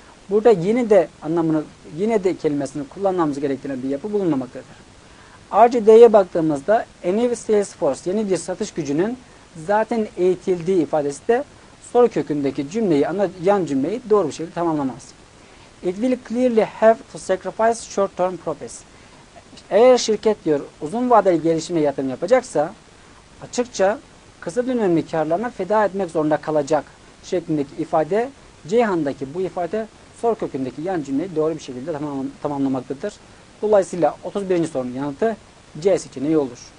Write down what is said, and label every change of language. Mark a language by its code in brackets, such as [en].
[tr] Burada yine de anlamını, yine de kelimesini kullanmamız gerektiğine bir yapı bulunmamaktadır. Ayrıca D'ye baktığımızda [en] any sales force, [tr] yeni bir satış gücünün zaten eğitildiği ifadesi de soru kökündeki cümleyi, yan cümleyi doğru bir şekilde tamamlamaz. [en] It will clearly have to sacrifice short-term profits. [tr] Eğer şirket diyor uzun vadeli gelişime yatırım yapacaksa açıkça kısa dönemli karlarına feda etmek zorunda kalacak şeklindeki ifade, Ceyhan'daki bu ifade soru kökündeki yan cümleyi doğru bir şekilde tamamlamaktadır. Dolayısıyla 31. sorunun yanıtı C seçeneği olur.